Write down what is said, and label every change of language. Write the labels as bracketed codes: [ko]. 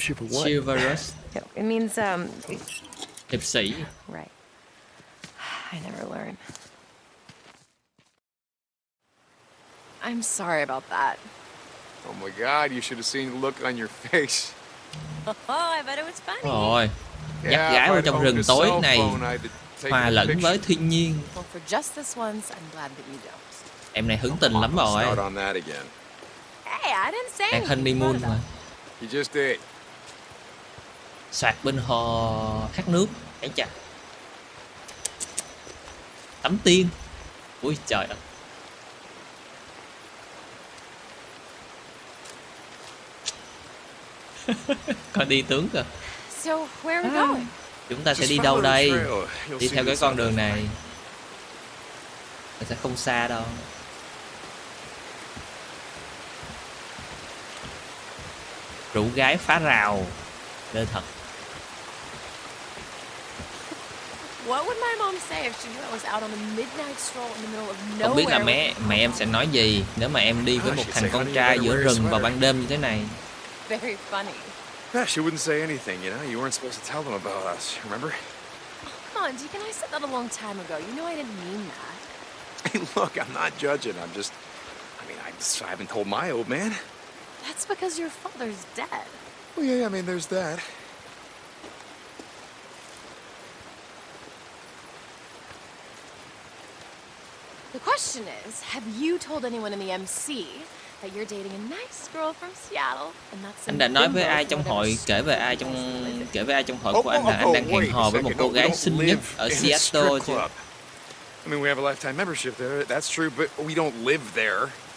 [en] Chivalrous? No, it means, [vi] hiệp sĩ. [en] Right. I never learn. I'm sorry about that. Oh my god, you should have seen the look on your face. Oh, I bet it was funny. [vi] Rồi, dắt gái vào trong rừng tối này, hòa lẫn với thiên nhiên. [en] Well, for just this once, I'm glad that you don't. [vi] Em này hứng tình lắm rồi. [en] Start on that again. Hey, I didn't say anything. Hình mi moon mà. You just did. [vi] Sạc bên hồ khát nước. Ấy chà. Tắm tiên. Ui trời ạ. Còn đi tướng kìa. [en] So, where are we going? [vi] Chúng ta sẽ đi đâu đây? Đi theo cái con đường này. Mình sẽ không xa đâu. Rủ gái phá rào. Ghê thật. [en] What would my mom say if she knew I was out on a midnight stroll in the middle of nowhere? [vi] Không biết là mẹ em sẽ nói gì nếu mà em đi với một thằng con trai giữa rừng vào ban đêm như thế này. [en] Very funny. Yeah, she wouldn't say anything, you know? You weren't supposed to tell them about us, remember? Oh, come on, Deacon, I said that a long time ago. You know I didn't mean that. Hey, look, I'm not judging. I'm just... I mean, I haven't told my old man. That's because your father's dead. Well, yeah, I mean, there's that. The question is, have you told anyone in the MC that you're dating a nice girl from Seattle? And that's [vi] anh đã nói với ai trong hội, kể với ai trong hội của anh là anh đang hẹn hò với một cô gái xinh nhất ở Seattle chứ? [en] I mean, we have a lifetime membership there, that's true, but we don't live there.